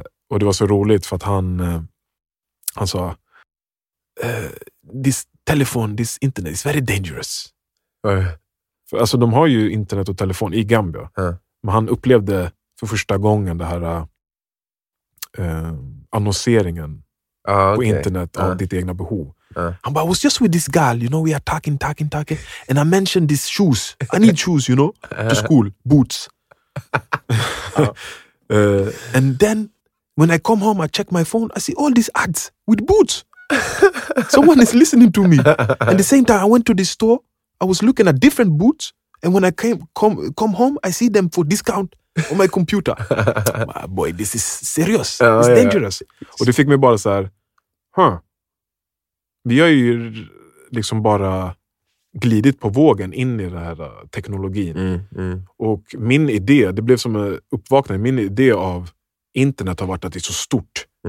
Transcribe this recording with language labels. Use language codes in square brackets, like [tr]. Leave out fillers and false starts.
[sv] Och det var så roligt för att han sa [en] this telefon, this internet is very dangerous. [sv] För, alltså de har ju internet och telefon i Gambia. Men han upplevde för första gången det här annonseringen på internet av ditt egna behov. Han bara, [en] I was just with this girl, you know, we are talking, and I mentioned these shoes. I need shoes, you know, to school, boots. And then, when I come home, I check my phone, I see all these ads with boots. Someone is listening to me. At the same time, I went to the store, I was looking at different boots, and when I come home, I see them for discount on my computer. My boy, this is serious. It's dangerous. [sv] Och det fick mig bara så här, vi har ju liksom bara glidit på vågen in i den här teknologin. Och min idé, det blev som en uppvaknande, min idé av internet har varit att det är så stort.